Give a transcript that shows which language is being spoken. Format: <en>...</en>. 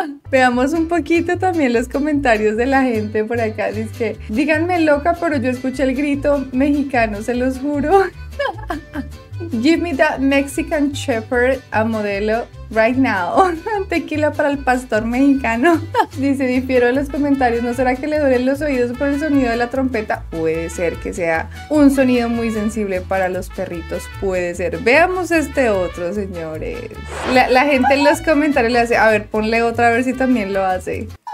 <es>Veamos un poquito también los comentarios de la gente por acá. Dice que, díganme loca, pero yo escuché el grito mexicano, se los juro.</es> <en>Give me that Mexican Shepherd a modelo right now.</en> <es>Tequila para el pastor mexicano. Dice, difiero en los comentarios. ¿No será que le duelen los oídos por el sonido de la trompeta? Puede ser que sea un sonido muy sensible para los perritos. Puede ser. Veamos este otro, señores. La gente en los comentarios le hace, a ver, ponle otra a ver si también lo hace.</es>